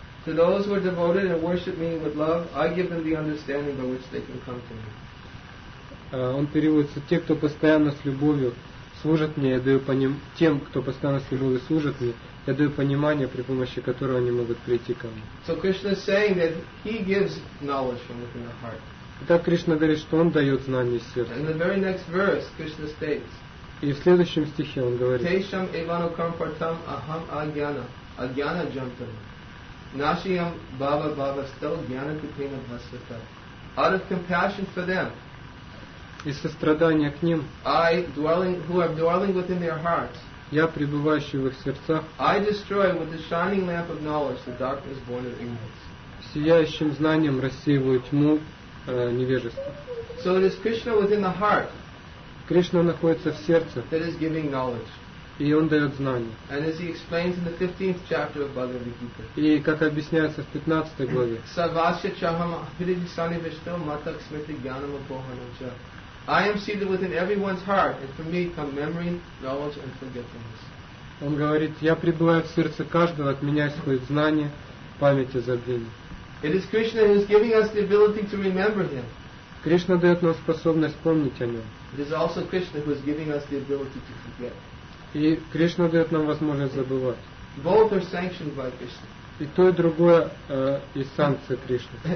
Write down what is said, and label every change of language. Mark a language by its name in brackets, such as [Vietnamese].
[English] To those who are devoted and worship me with love, I give them the understanding by which they can come to me. [Russian] Он переводится: те, кто постоянно с любовью служат мне, я даю понимание, при помощи которого они могут прийти ко мне. [English] So Krishna is saying that he gives knowledge from within the heart. [Russian] Итак, Кришна говорит, что он дает знание сердца. [English] In the very next verse, Krishna states. [Russian] И в следующем стихе он говорит. [Sanskrit] Tesham evano kampartam aham agyana agyana jantam nashiyam bava bava stel gyana kupena vasata. [English] Out of compassion for them. [Russian] И сострадание к ним. [English] I dwelling, who are dwelling within their hearts. [Russian] Я пребывающий в их сердцах. [English] I destroy with the shining lamp of knowledge the darkness born of ignorance. [Russian] Сияющим знанием рассеиваю тьму невежества. [English] So it is Krishna within the heart. [Russian] Кришна находится в сердце. [English] That is giving knowledge. [Russian] И он дает знание. [English] And as he explains in the 15th chapter of Bhagavad Gita. [Russian] И как объясняется в 15 главе. [Sanskrit] Savasya chaham pridhisani vishto matak smriti gyanam apohanacha. [English] I am seated within everyone's heart, and from me come memory, knowledge, and forgetfulness. [Russian] Он говорит, я пребываю в сердце каждого, от меня исходит знание, память и забвение. [English] It is Krishna who is giving us the ability to remember Him. [Russian] Кришна дает нам способность помнить о Нем. [English] It is also Krishna who is giving us the ability to forget. [Russian] И Кришна дает нам возможность забывать. [English] Both are sanctioned by Krishna. [Russian] И то и другое есть санкция Кришны.